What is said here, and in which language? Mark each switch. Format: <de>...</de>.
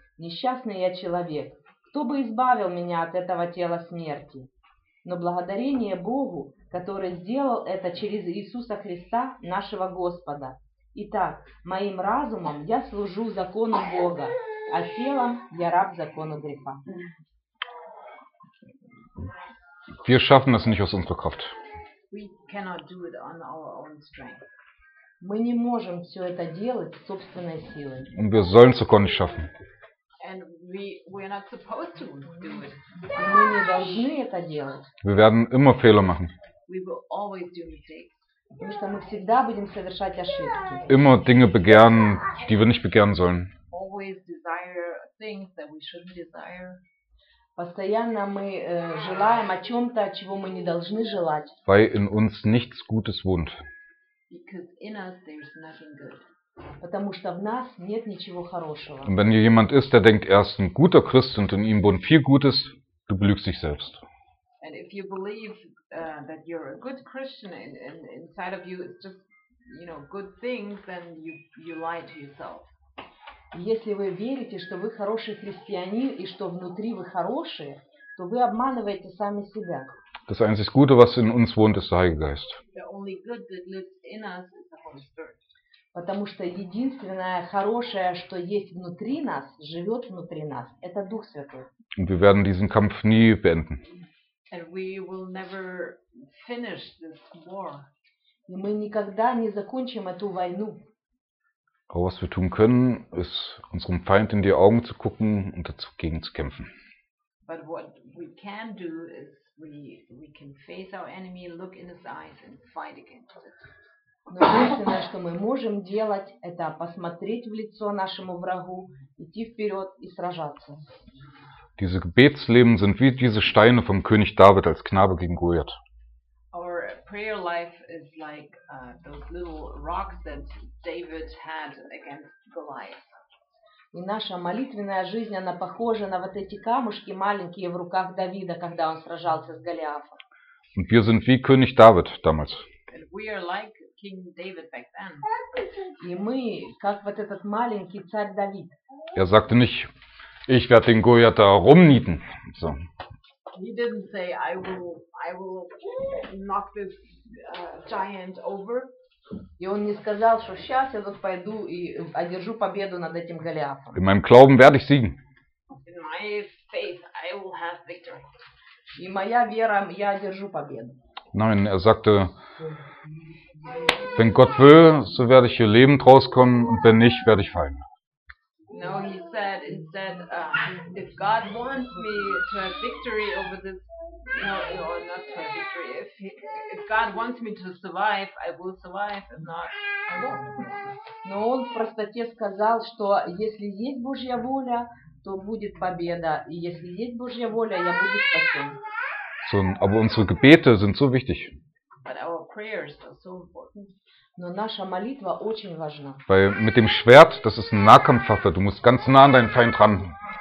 <ru>Несчастный я человек. Кто бы избавил меня от этого тела смерти? Но благодарение Богу, который сделал это через Иисуса Христа, нашего Господа. Итак, моим разумом я служу закону Бога, а телом я раб закону греха.</ru> <de>Wir schaffen das nicht aus unserer Kraft.</de> <en>We cannot do it on our own strength.</en> <ru>Мы не можем все это делать собственной силой.</ru> <de>Und wir sollen es sogar nicht schaffen.</de> <en>And we're not supposed to do it.</en> <ru>Мы не должны это делать.</ru> <de>Wir werden immer Fehler machen.</de> <en>We will always do mistakes.</en> <ru>Потому что мы всегда будем совершать ошибки.</ru> <de>Immer Dinge begehren, die wir nicht begehren sollen.</de> <en>Always desire things that we shouldn't desire.</en> <ru>Постоянно мы желаем о чем-то, чего мы не должны желать.</ru> <de>Weil in uns nichts Gutes wohnt.</de> <en>Because in us there's nothing good.</en> <ru>Потому что в нас нет ничего хорошего.</ru> <de>Und wenn jemand ist, der denkt, er ist ein guter Christ und in ihm wohnt viel Gutes, du belügst dich selbst.</de> <en>And if you believe that you're a good Christian and inside of you it's just, you know, good things, then you lie to yourself.</en> <ru>Если вы верите, что вы хороший христианин и что внутри вы хорошие, то вы обманываете сами себя.</ru> <de>Das einzige Gute, was in uns wohnt, ist der Heilige Geist.</de> <en>The only good that lives in us is the Holy Spirit.</en> <ru>Потому что единственное хорошее, что есть внутри нас, живет внутри нас, это Дух Святой.</ru> <de>Und wir werden diesen Kampf nie beenden.</de> <en>And we will never finish this war.</en> <ru>И мы никогда не закончим эту войну.</ru> <de>Aber was wir tun können, ist unserem Feind in die Augen zu gucken und dagegen zu kämpfen.</de> <en>But what we can do is we can face our enemy, look in his eyes and fight against it.</en> <ru>Но единственное, что мы можем делать, это посмотреть в лицо нашему врагу, идти вперед и сражаться.</ru> <de>Diese Gebetsleben sind wie diese Steine vom König David als Knabe gegen Goliath.</de> <en>Our prayer life is like those little rocks that David had against Goliath.</en> <ru>И наша молитвенная жизнь, она похожа на вот эти камушки маленькие в руках Давида, когда он сражался с Голиафом.</ru> <de>Und wir sind wie König David damals.</de> <en>We are like King David back then.</en> <ru>И мы, как вот этот маленький царь Давид.</ru> <de>Er sagte nicht, ich werde den Goliath da rumnieten. So.</de> <en>He didn't say, I will knock this giant over.</en> <ru>И он не сказал, что сейчас я тут пойду и одержу победу над этим Голиафом.</ru> <de>In meinem Glauben werde ich siegen.</de> <en>In my faith, I will have victory.</en> <ru>И моя вера, я одержу победу.</ru> <de>Nein, er sagte, wenn Gott will, so werde ich hier lebend rauskommen und wenn nicht, werde ich fallen.</de> <en>No, he said instead, if God wants me to have victory over this, not to have victory. If God wants me to survive, I will survive. If not, I won't.</en> <ru>Но он в простоте сказал, что если есть Божья воля, то будет победа, и если есть Божья воля, я буду спасен.</ru> <de>So, aber unsere Gebete sind so wichtig.</de> <en>But our prayers are so important.</en> <ru>Но наша молитва очень важна.</ru> <de>Weil mit dem Schwert, das ist eine Nahkampfwaffe, du musst ganz nah an deinen Feind ran.</de>